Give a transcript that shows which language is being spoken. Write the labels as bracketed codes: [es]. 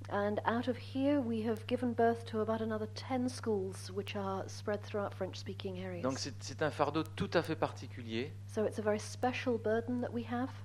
[en] And out of here we have given birth to about another 10 schools which are spread throughout French speaking areas. [fr] Donc c'est un fardeau tout à fait particulier. [en] So it's a very special burden that we have.